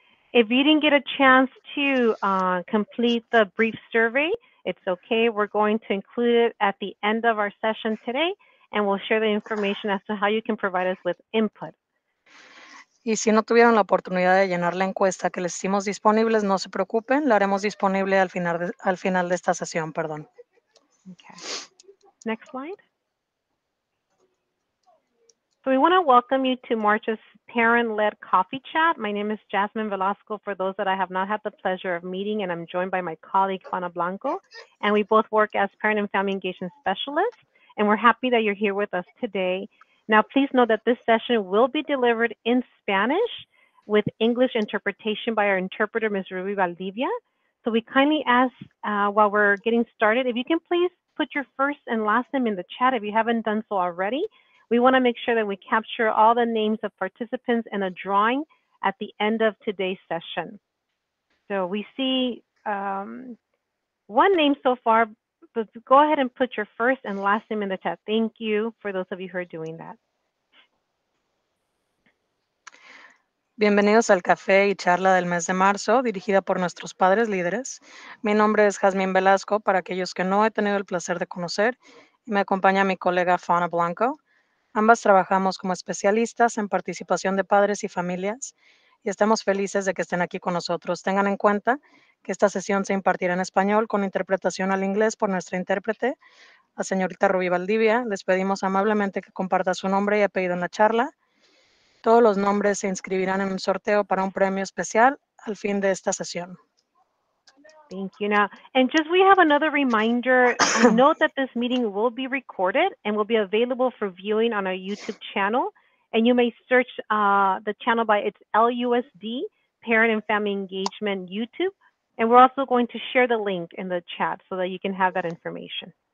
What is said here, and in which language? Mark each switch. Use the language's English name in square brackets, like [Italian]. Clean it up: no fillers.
[English] If you didn't get a chance to complete the brief survey, it's okay. We're going to include it at the end of our session today, and we'll share the information as to how you can provide us with input. [Spanish] Y si no tuvieron la oportunidad de llenar la encuesta que les hicimos disponibles, no se preocupen, la haremos disponible al final de esta sesión, perdón. [English] Okay. Next slide. So we want to welcome you to March's parent-led coffee chat. My name is Jasmine Velasco, for those that I have not had the pleasure of meeting, and I'm joined by my colleague, Juana Blanco, and we both work as parent and family engagement specialists, and we're happy that you're here with us today. Now, please know that this session will be delivered in Spanish with English interpretation by our interpreter, Ms. Ruby Valdivia. So we kindly ask, while we're getting started, if you can please put your first and last name in the chat if you haven't done so already. We want to make sure that we capture all the names of participants in a drawing at the end of today's session. So we see one name so far. But go ahead and put your first and last name in the chat. Thank you for those of you who are doing that. [Spanish] Bienvenidos al café y charla del mes de marzo, dirigida por nuestros padres líderes. Mi nombre es Jasmine Velasco, para aquellos que no he tenido el placer de conocer, y me acompaña mi colega Fauna Blanco. Ambas trabajamos como especialistas en participación de padres y familias, y estamos felices de que estén aquí con nosotros. Tengan en cuenta que esta sesión se impartirá en español con interpretación al inglés por nuestra intérprete, la señorita Ruby Valdivia. Les pedimos amablemente que comparta su nombre y apellido en la charla. Todos los nombres se inscribirán en un sorteo para un premio especial al fin de esta sesión. [English] Thank you. Now, and just we have another reminder, note that this meeting will be recorded and will be available for viewing on our YouTube channel. And you may search the channel by its LUSD, Parent and Family Engagement YouTube. And we're also going to share the link in the chat so that you can have that information.